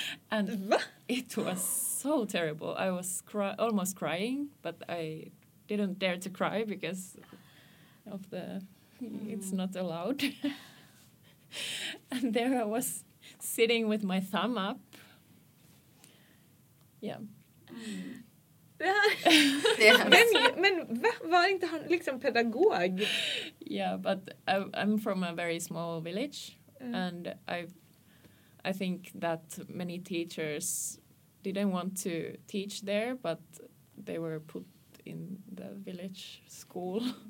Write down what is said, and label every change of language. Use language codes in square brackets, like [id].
[en] And it was so terrible. I was almost crying, but I didn't dare to cry because of the... It's not allowed. And there I was sitting with my thumb up. Yeah. [sv] Men var inte han liksom pedagog? [en] Yeah, but I'm from a very small village. And I think that many teachers didn't want to teach there, but they were put in the village school.